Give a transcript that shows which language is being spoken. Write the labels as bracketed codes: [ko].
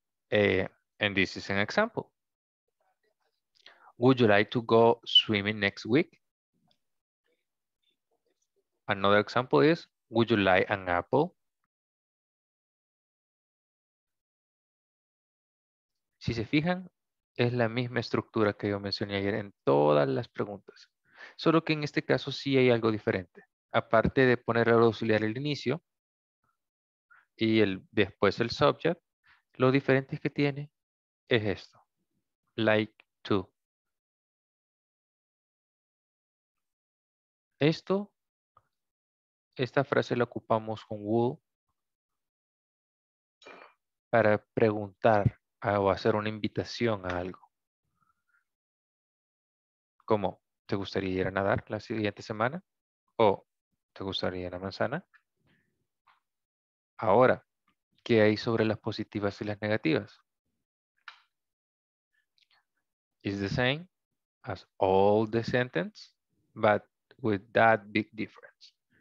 [en] And this is an example. Would you like to go swimming next week? Another example is, would you like an apple? [es] Si se fijan, es la misma estructura que yo mencioné ayer en todas las preguntas. Solo que en este caso sí hay algo diferente. Aparte de poner el auxiliar al inicio y después el subject, lo diferente que tiene es esto. [en] Like to. [es] Esto, esta frase la ocupamos con would para preguntar o hacer una invitación a algo. Como, ¿te gustaría ir a nadar la siguiente semana? O, ¿te gustaría la manzana? Ahora, ¿qué hay sobre las positivas y las negativas? [en] It's the same as all the sentence, but with that big difference.